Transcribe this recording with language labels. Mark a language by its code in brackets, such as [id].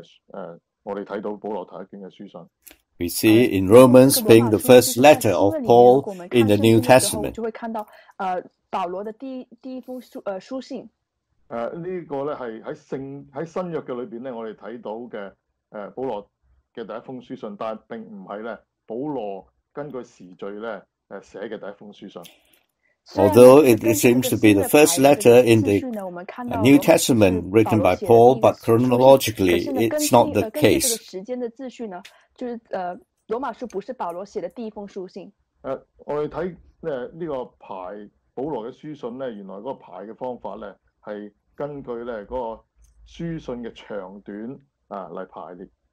[zh] 羅馬書,在新約聖經裏面,我們看到保羅頭一卷的書信。 [en] We see in Romans being the first letter of Paul in the New Testament. [zh] 就會看到保羅的第一封書信。這個是在新約裏面,我們看到保羅的第一封書信,但並不是保羅根據時序寫的第一封書信。 [en] Although it seems to be the first letter in the New Testament written by Paul, but chronologically, it's not the case.